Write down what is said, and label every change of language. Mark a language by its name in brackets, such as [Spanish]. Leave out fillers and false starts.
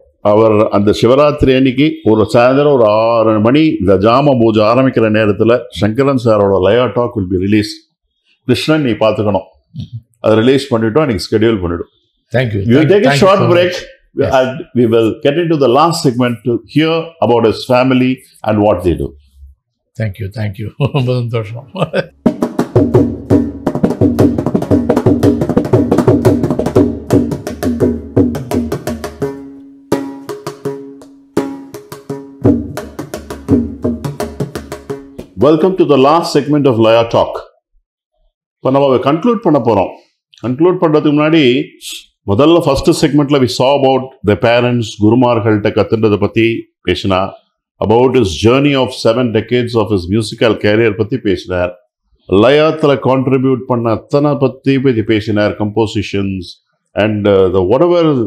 [Tamil] அவர் அந்த சிவராத்திரி அன்னைக்கு ஒரு சாயந்தரம் ஒரு 6 மணி இந்த ஜாம பூஜை ஆரம்பிக்கிற நேரத்தில் சங்கரன் சாரோட லயா talk [English] will be release [Tamil] Krishnan நீ பார்த்துக்கணும் அதை ரிலீஸ் பண்ணிட்டோம் அன்னைக்கு ஸ்கெடியூல் பண்ணிடும் [English] Thank you. We will take a short break and we will get into the last segment to hear about his family and what they do. Thank you. Thank you. Madhantosham. Welcome to the last segment of Laya Talk. [Tamil] Panava, [English] we conclude [Tamil] panaporam. Conclude panadathukku munadi முதல்ல first செக்மெண்ட்டில் [English] we saw about the parents [Tamil] குருமார்கள்கிட்ட கத்துன்றதை பற்றி பேசினார் [English] about his journey of 7 decades of his musical career [Tamil] பற்றி பேசினார் லயாத்தில் contribute பண்ண அத்தனை பற்றி பேசினார் [English] compositions and whatever